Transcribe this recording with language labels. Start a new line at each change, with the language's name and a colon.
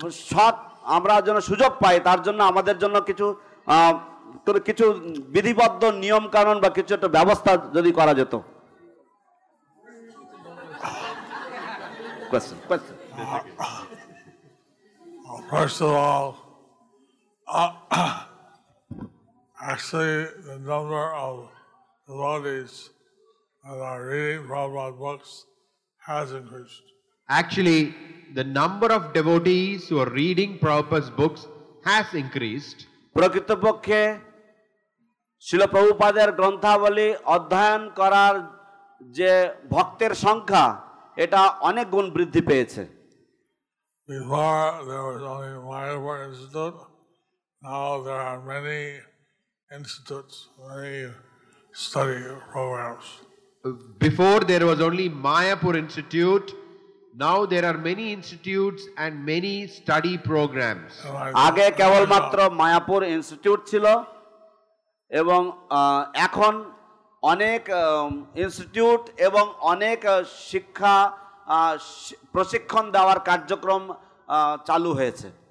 Bangla: সৎ আমরা যেন সুযোগ পাই তার জন্য আমাদের জন্য কিছু কিছু বিধিবদ্ধ নিয়মকানুন বা কিছু একটা ব্যবস্থা যদি করা যেত Question.
English: First of all, actually, the number of devotees that are reading Prabhupada's books has increased. Actually, the number of devotees who are reading Prabhupada's books has increased.
Bangla: Prakritapakshe, Srila Prabhupada's granthavali adhyayan karar je bhaktir sankha. এটা অনেক গুণ বৃদ্ধি পেয়েছে
English: Before there was only Mayapur Institute. Now there are many institutes, many study programs. Before there was only Mayapur Institute. Now there are many institutes and many study programs.
Bangla: আগে কেবলমাত্র Mayapur institute ছিল এবং এখন অনেক ইনস্টিটিউট এবং অনেক শিক্ষা প্রশিক্ষণ দেওয়ার কার্যক্রম চালু হয়েছে